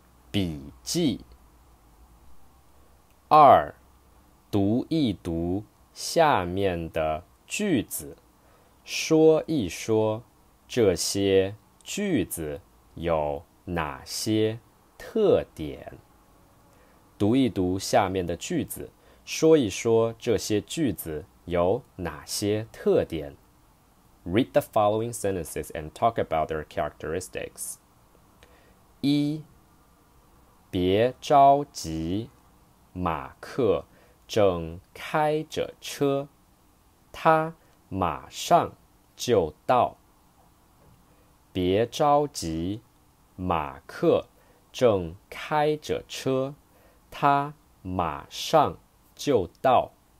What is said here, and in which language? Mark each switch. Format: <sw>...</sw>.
<zh>笔记二读一读下面的句子说一说这些句子有哪些特点读一读下面的句子说一说这些句子有哪些特点</zh> <en>Read the following sentences and talk about their characteristics.</en> <zh>一，别着急，马克正开着车，他马上就到。别着急，马克正开着车，他马上就到。</zh>